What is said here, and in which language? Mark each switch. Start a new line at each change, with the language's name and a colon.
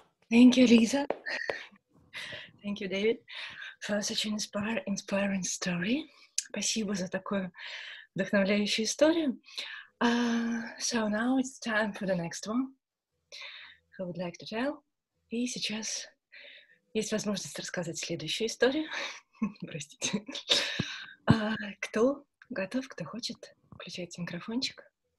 English: Thank you, Lisa. Thank you, David, for such an inspiring story.
Russian: Спасибо за такую вдохновляющую историю.
English: So now it's time for the next one. Who would like to tell?
Russian: И сейчас есть возможность рассказать следующую историю. Простите. Кто готов, кто хочет, включайте микрофончик.